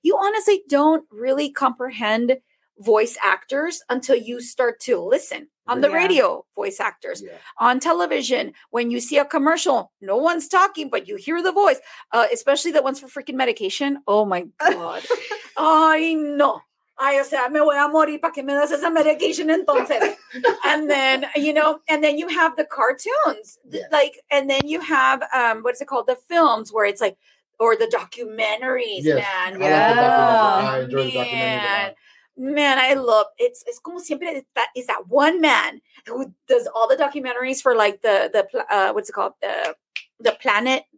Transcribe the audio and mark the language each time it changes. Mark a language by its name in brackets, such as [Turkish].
[English] you honestly don't really comprehend voice actors until you start to listen on the yeah. radio, voice actors yeah. on television. When you see a commercial, no one's talking, but you hear the voice, especially the ones for freaking medication. Oh my God. I know. [Spanish] Ay, o sea, me voy a morir para que me des esa medication entonces. [English] And then, you know, and then you have the cartoons. Yeah. Like, and then you have, what's it called? The films where it's like, or the documentaries, yes. man. I yeah. like the documentaries. I enjoy the documentaries. Man, I love, it's [Spanish] como siempre, [English] that is that one man who does all the documentaries for like the planet.